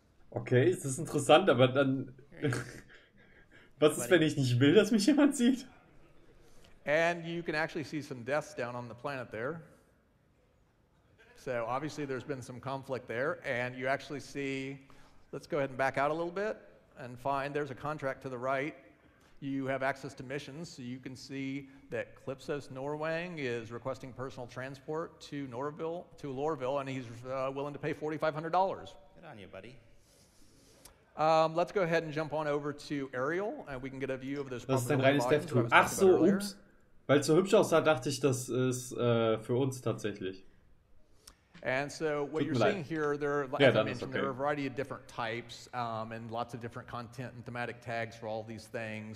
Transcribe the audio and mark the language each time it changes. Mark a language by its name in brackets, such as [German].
[German] Okay, es ist interessant, aber dann was ist, wenn ich nicht will, dass mich jemand sieht? [English] And you can actually see some deaths down on the planet there. So obviously there's been some conflict there, and you actually see, let's go ahead and back out a little bit and find there's a contract to the right. You have access to missions, so you can see that Clipsos Norwang is requesting personal transport to Norville, and he's willing to pay $4,500. Good on you, buddy. Let's go ahead and jump on over to Ariel, and we can get a view of this. [German] Das ist ein reines Dev-Tool. Ach so, ups. Weil es so hübsch aussah, dachte ich, das ist für uns tatsächlich. [English] And so what you're seeing here, there are, as I mentioned, there are a variety of different types and lots of different content and thematic tags for all these things.